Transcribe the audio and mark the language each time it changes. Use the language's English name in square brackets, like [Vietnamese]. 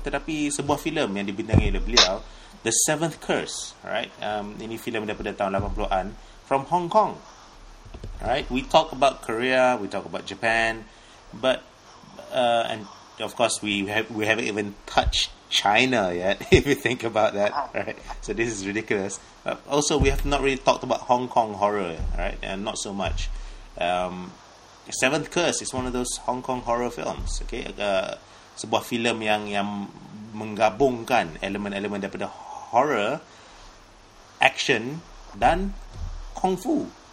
[Malay] Tetapi sebuah filem yang dibintangi oleh beliau, The Seventh Curse, right? Ini filem daripada tahun 80-an [English] from Hong Kong. Right? We talk about Korea, we talk about Japan, but and of course we haven't even touched China yet. If you think about that, right? So this is ridiculous. But also, we have not really talked about Hong Kong horror, right? And not so much. Seventh Curse is one of those Hong Kong horror films. [Malay] Okay, sebuah filem yang menggabungkan elemen-elemen daripada horror, action dan kung fu.